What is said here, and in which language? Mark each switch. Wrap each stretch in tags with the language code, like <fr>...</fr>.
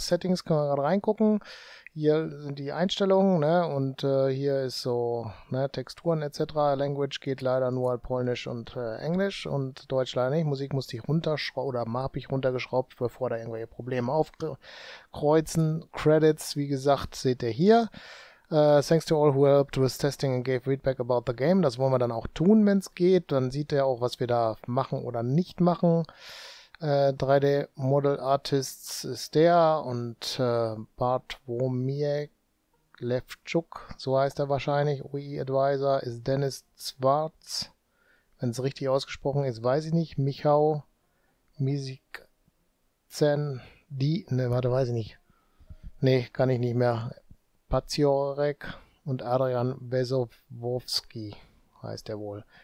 <de>Settings können wir gerade reingucken, hier sind die Einstellungen, ne, und hier ist so, ne, Texturen etc. Language geht leider nur Polnisch und Englisch und Deutsch leider nicht. Musik musste ich runterschrauben oder hab ich runtergeschraubt, bevor da irgendwelche Probleme aufkreuzen. Credits, wie gesagt, seht ihr hier.</de> <en>Thanks to all who helped with testing and gave feedback about the game.</en> <de>Das wollen wir dann auch tun, wenn es geht. Dann sieht ihr auch, was wir da machen oder nicht machen. 3D Model Artists ist der und Bart Womiek-Levchuk, so heißt er wahrscheinlich, UI Advisor, ist Dennis Zwartz, wenn es richtig ausgesprochen ist, weiß ich nicht, Michał Mizicen, die, ne, warte, weiß ich nicht, ne, kann ich nicht mehr, Paciorek und Adrian Wesowowski heißt er wohl.</de>